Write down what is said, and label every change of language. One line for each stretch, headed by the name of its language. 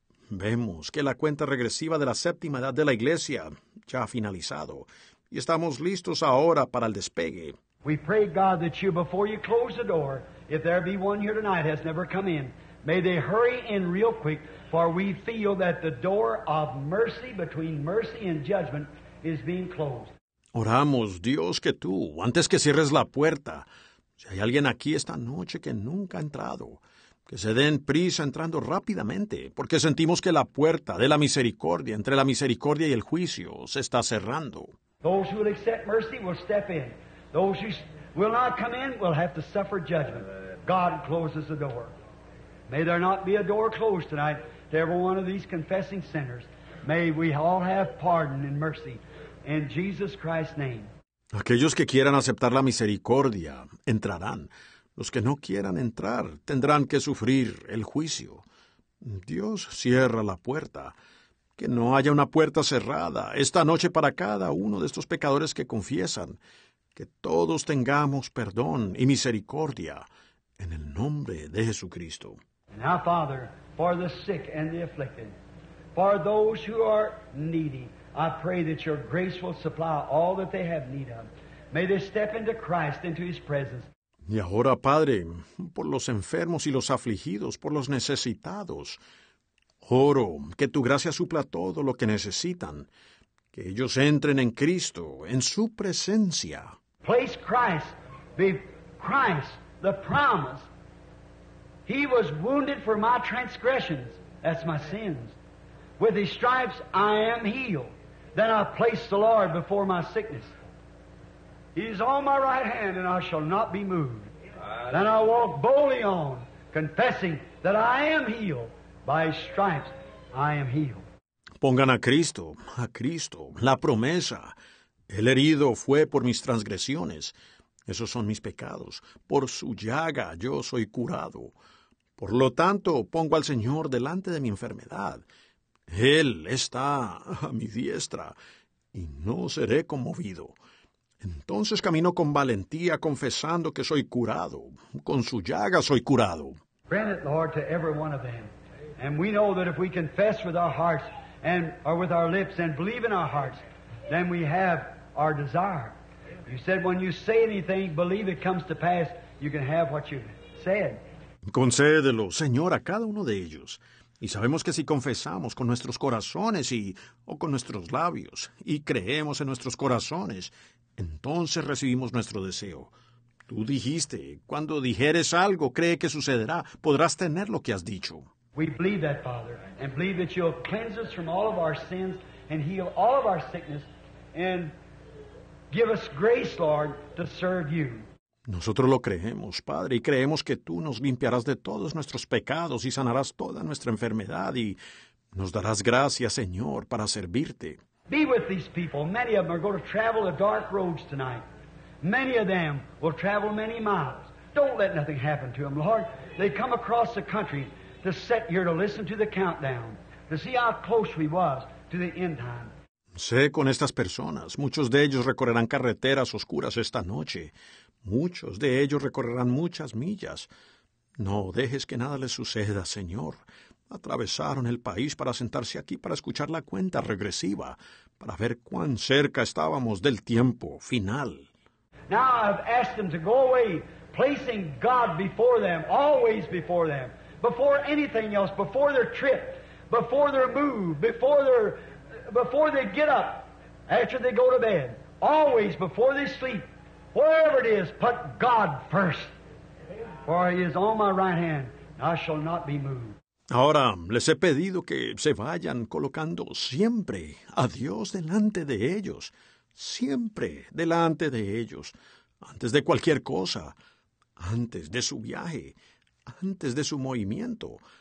Spanish: Vemos que la cuenta regresiva de la séptima edad de la iglesia ya ha finalizado, y estamos listos ahora para el despegue.
English: We pray, God, that you, before you close the door, if there be one here tonight has never come in, may they hurry in real quick, for we feel that the door of mercy between mercy and judgment is being closed.
Spanish: Oramos, Dios, que tú, antes que cierres la puerta, si hay alguien aquí esta noche que nunca ha entrado, que se den prisa entrando rápidamente, porque sentimos que la puerta de la misericordia, entre la misericordia y el juicio, se está cerrando.
English: Those who will accept mercy will step in. Those who will not come in will have to suffer judgment. God closes the door. May there not be a door closed tonight to every one of these confessing sinners. May we all have pardon and mercy in Jesus Christ's name.
Spanish: Aquellos que quieran aceptar la misericordia entrarán. Los que no quieran entrar tendrán que sufrir el juicio. Dios cierra la puerta. Que no haya una puerta cerrada esta noche para cada uno de estos pecadores que confiesan. Que todos tengamos perdón y misericordia en el nombre de Jesucristo.
English: Now, Father, for the sick and the afflicted, for those who are needy, I pray that your grace will supply all that they have need of. May they step into Christ, into his presence.
Spanish: Y ahora, Padre, por los enfermos y los afligidos, por los necesitados, oro que tu gracia supla todo lo que necesitan, que ellos entren en Cristo, en su presencia.
English: Place Christ, be Christ, the promise. He was wounded for my transgressions, that's my sins. With his stripes I am healed. Then I place the Lord before my sickness. He is on my right hand, and I shall not be moved. Then I walk boldly on. confessing that I am healed. By His stripes, I am healed.
Spanish: Pongan a Cristo, la promesa. El herido fue por mis transgresiones. Esos son mis pecados. Por su llaga yo soy curado. Por lo tanto, pongo al Señor delante de mi enfermedad. Él está a mi diestra y no seré conmovido. Entonces camino con valentía, confesando que soy curado. Con su llaga soy curado.
English: Grant it, Lord, to every one of them. And we know that if we confess with our hearts and or with our lips and believe in our hearts, then we have our desire. You said when you say anything, believe it comes to pass, you can have what you said.
Spanish: Concédelo, Señor, a cada uno de ellos. Y sabemos que si confesamos con nuestros corazones y o con nuestros labios y creemos en nuestros corazones, entonces recibimos nuestro deseo. Tú dijiste, cuando dijeres algo, cree que sucederá, podrás tener lo que has dicho.
English: We believe that, Father, and believe that you'll cleanse us from all of our sins and heal all of our sickness and give us grace, Lord, to serve you.
Spanish: Nosotros lo creemos, Padre, y creemos que tú nos limpiarás de todos nuestros pecados y sanarás toda nuestra enfermedad y nos darás gracia, Señor, para servirte.
English: Be with these people. Many of them are going to travel the dark roads tonight. Many of them will travel many miles. Don't let nothing happen to them, Lord. They come across the country to sit here to listen to the countdown, to see how close we was to the end time.
Spanish: Sé con estas personas, muchos de ellos recorrerán carreteras oscuras esta noche. Muchos de ellos recorrerán muchas millas. No dejes que nada les suceda, Señor. Atravesaron el país para sentarse aquí para escuchar la cuenta regresiva, para ver cuán cerca estábamos del tiempo final.
English: Now I've asked them to go away, placing God before them, always before them, before anything else, before their trip, before their move, before they get up, after they go to bed, always before they sleep. Wherever it is, put God first. For He is on my right hand, and I shall not be moved.
Spanish: Ahora, les he pedido que se vayan colocando siempre a Dios delante de ellos. Siempre delante de ellos. Antes de cualquier cosa. Antes de su viaje. Antes de su movimiento.